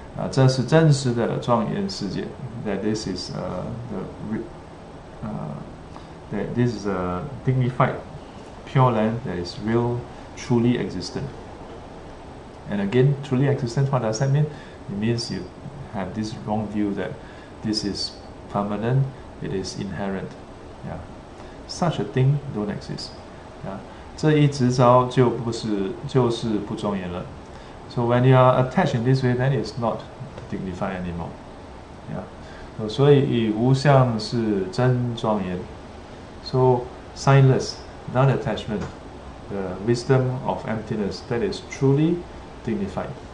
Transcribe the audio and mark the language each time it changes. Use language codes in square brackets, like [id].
[zh] 这是真实的庄严世界, [en] that this is a dignified Pure Land that is real, truly existent. And again, truly existent, what does that mean? It means you have this wrong view that this is permanent, it is inherent. Yeah. Such a thing don't exist. Yeah. [zh] 这一执照就不是不庄严了. [en] So when you are attached in this way, then it's not dignified anymore. [zh] Yeah. So, 所以以无相是真庄严. [en] So signless, non-attachment, the wisdom of emptiness, that is truly dignified.